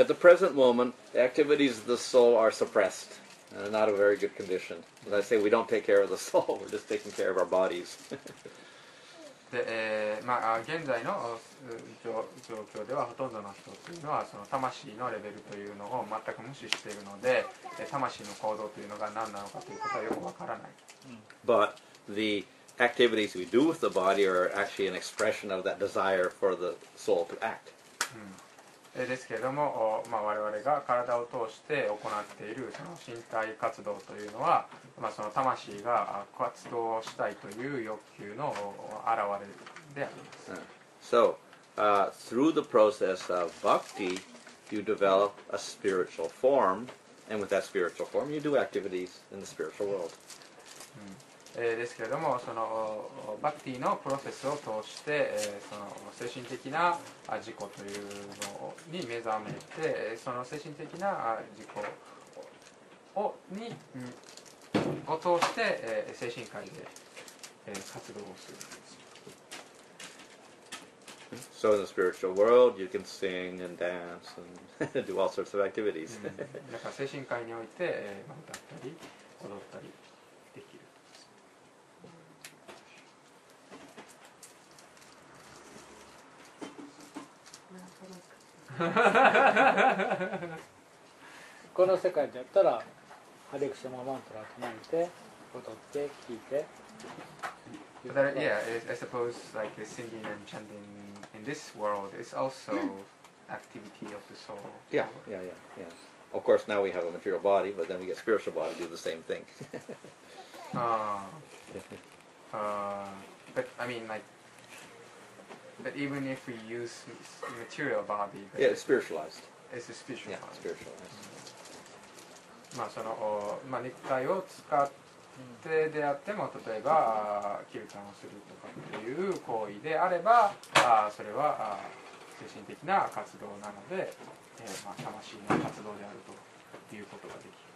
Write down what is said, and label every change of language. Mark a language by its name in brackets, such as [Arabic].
[English] At the present moment, the activities of the soul are suppressed and not a very good condition. As I say, we don't take care of the soul, we're just taking care of our bodies. [Japanese] で、まあ、現在の状況ではほとんどの人というのはその魂のレベルというのを全く無視しているので、魂の行動というのが何なのかということはよくわからない。 [English] But the activities we do with the body are actually an expression of that desire for the soul to act、 [Japanese] うん、ですけれども、まあ、我々が体を通して行っているその身体活動というのは、まあ、その魂が活動したいという欲求の表れであります。 [English] So, through the process of bhakti, you develop a spiritual form, and with that spiritual form, you do activities in the spiritual world.、 [Japanese] うん、ですけれども、その bhakti のプロセスを通して、その精神的な自己というのに目覚めて、その精神的な自己をに、うん、を通して、精神界で、活動をするんです。 [English] So in the spiritual world, you can sing and dance and do all sorts of activities. [Japanese] だから精神界において、歌ったり踊ったりできる。この世界だったら。ハレクシャママントラを唱えて、踊って、聞いて。 [English] But that, yeah, I suppose like singing and chanting in this world is also activity of the soul. Yeah. Of course, now we have a material body, but then we get spiritual body to do the same thing. But I mean, like, but even if we use material body, yeah, it's spiritualized. It's a spiritual. Yeah, spiritualized.、Mm-hmm. [Japanese] まあ、その、まあ、肉体を使ってであっても、例えばキルタンをするとかっていう行為であれば、それは精神的な活動なので、まあ、魂の活動であるということができる。